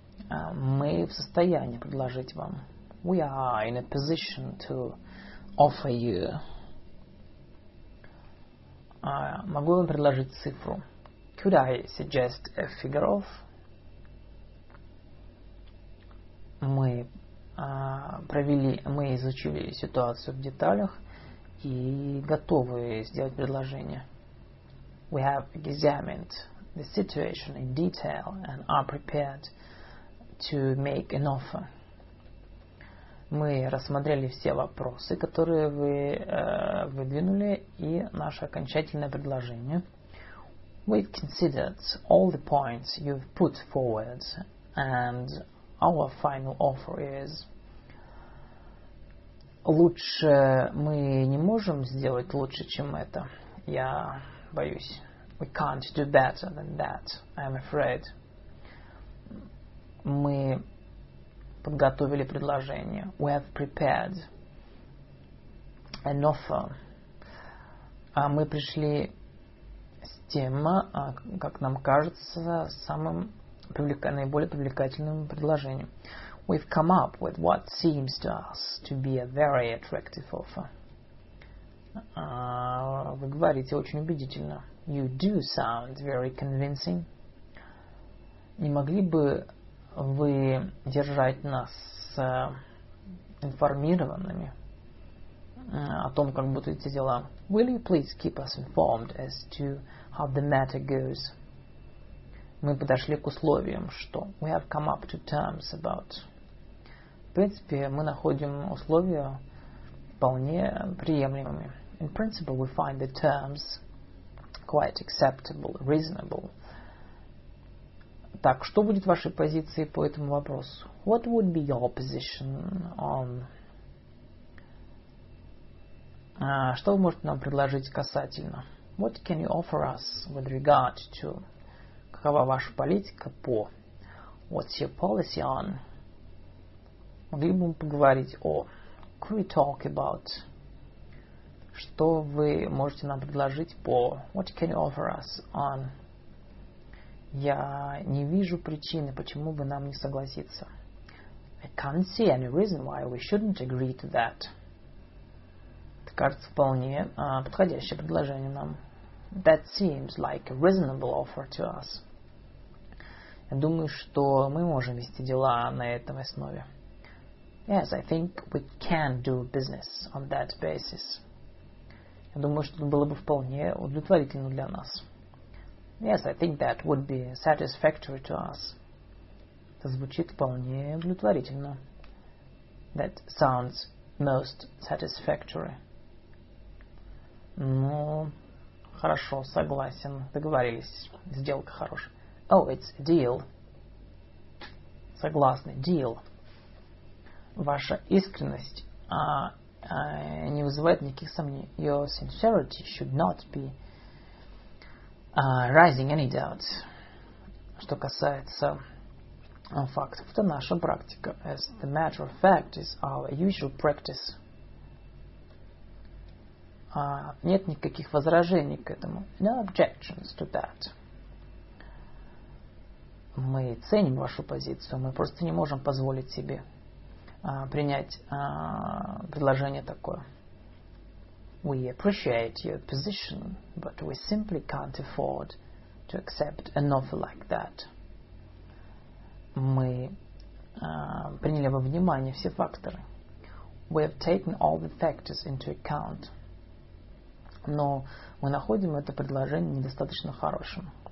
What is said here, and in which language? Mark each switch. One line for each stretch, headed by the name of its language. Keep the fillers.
Russian: Uh, мы в состоянии предложить вам.
English: We are in a position to offer you.
Russian: Uh, могу вам предложить цифру.
English: Could I suggest a figure of?
Russian: Мы uh, провели, мы изучили ситуацию в деталях.
English: We have examined the situation in detail and are prepared to make an offer.
Russian: Мы рассмотрели все вопросы, которые вы uh, выдвинули, и наше окончательное предложение.
English: We've considered all the points you've put forward, and our final offer is...
Russian: лучше мы не можем сделать лучше, чем это. Я боюсь.
English: We can't do better than that, I'm afraid.
Russian: Мы подготовили предложение.
English: We have prepared an offer.
Russian: А мы пришли с тем, как нам кажется, самым привлек- наиболее привлекательным предложением.
English: Uh, we've come up with what seems to us to be a very attractive offer. Uh, you do sound very convincing.
Russian: Не могли бы вы держать нас uh, информированными uh, том,
English: Will you please keep us informed as to how the matter goes?
Russian: Условиям,
English: we have come up to terms about.
Russian: В принципе, мы находим условия вполне приемлемыми.
English: In principle, we find the terms quite acceptable, reasonable.
Russian: Так, что будет вашей позиции по этому вопросу?
English: What would be your position on...
Russian: Uh, что вы можете нам предложить касательно?
English: What can you offer us with regard to...
Russian: Какова ваша политика по...
English: What's your policy on...
Russian: Могли бы мы поговорить о...
English: Could we talk about...
Russian: Что вы можете нам предложить по...
English: What can you offer us on...
Russian: Я не вижу причины, почему бы нам не согласиться.
English: I can't see any reason why we shouldn't agree to that.
Russian: Это кажется вполне uh, подходящее предложение нам.
English: That seems like a reasonable offer to us.
Russian: Я думаю, что мы можем вести дела на этом основе.
English: Yes, I think we can do business on that basis.
Russian: Я думаю, что это было бы вполне удовлетворительно для нас.
English: Yes, I think that would be satisfactory to us.
Russian: Это звучит вполне удовлетворительно.
English: That sounds most satisfactory.
Russian: Ну, хорошо, согласен, договорились. Сделка хорошая.
English: Oh, it's a deal.
Russian: Согласны,
English: deal. Deal.
Russian: ваша искренность uh, uh, не вызывает никаких сомнений.
English: Your sincerity should not be uh, rising any doubt.
Russian: Что касается uh, фактов, это наша практика.
English: As the matter of fact is our usual practice.
Russian: Uh, нет никаких возражений к этому.
English: No objections to that.
Russian: Мы ценим вашу позицию, мы просто не можем позволить себе Uh, принять uh, предложение такое.
English: We appreciate your position, but we simply can't afford to accept an offer like that.
Russian: Мы uh, приняли во внимание все факторы.
English: We have taken all the factors into account.
Russian: Но мы находим это предложение недостаточно хорошим.